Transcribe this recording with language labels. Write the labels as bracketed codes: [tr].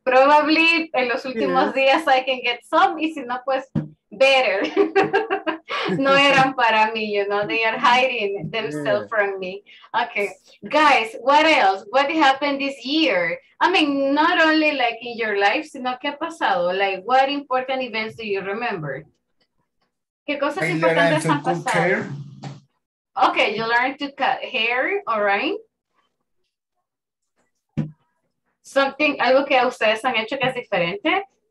[es] Probably en los últimos días [en] I can get some, [es] y si no, pues, better. No eran para mí, [en] you know, they are hiding themselves from me. Okay, guys, what else? What happened this year? I mean, not only like in your life, [es] sino que ha pasado. [en] Like, what important events do you remember? [es] ¿Qué cosas importantes han pasado? [en] Okay, you learned to cut hair, all right? Something, [es] algo que ustedes han hecho que es diferente.